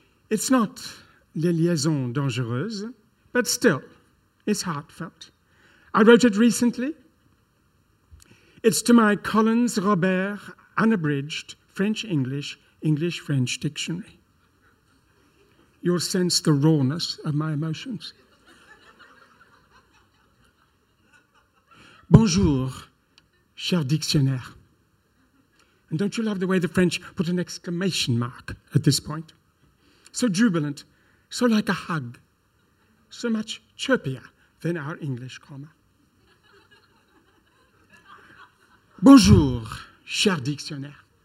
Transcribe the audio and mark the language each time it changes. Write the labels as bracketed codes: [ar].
[en] It's not Les Liaisons Dangereuses, but still, it's heartfelt. I wrote it recently. It's to my Collins Robert unabridged French-English, English-French dictionary. You'll sense the rawness of my emotions. [fr] Bonjour, cher dictionnaire. [en] And don't you love the way the French put an exclamation mark at this point? So jubilant. So like a hug, so much chirpier than our English comma. [fr] Bonjour, cher dictionnaire.